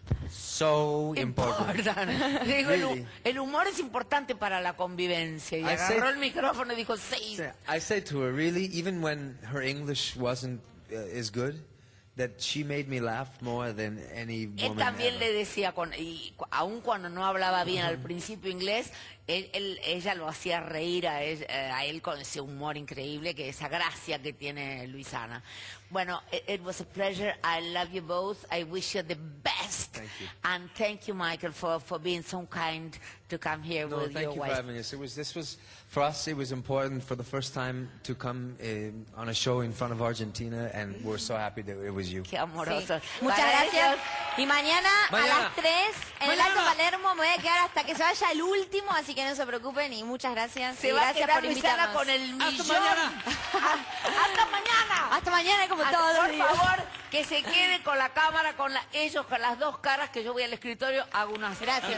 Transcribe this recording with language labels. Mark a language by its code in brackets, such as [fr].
[en] So important. [es] Digo, [en] really. [es] El humor es importante para la convivencia. Y agarró el micrófono y dijo sí. [en] I said to her, really, even when her English wasn't as good, that she made me laugh more than any woman ever. [es] Él también le decía, aun cuando no hablaba bien al principio inglés, ella lo hacía reír a él con ese humor increíble, que esa gracia que tiene Luisana. Bueno, [en] it was a pleasure. I love you both. I wish you the best. Thank you. And thank you, Michael, for being so kind to come here with your wife. No, thank you for having us. For us, it was important for the first time to come on a show in front of Argentina, and we're so happy that it was you. [es] Qué amoroso. Sí. Muchas gracias. Y mañana a las 3 en el Alto Palermo me voy a quedar hasta que se vaya el último, así que no se preocupen y muchas gracias. Se va a quedar Luisana con el millón. Hasta mañana. Hasta mañana. Hasta mañana, como todos los días. Por favor. que se quede con la cámara, con la, ellos, con las dos caras, que yo voy al escritorio, hago unas gracias.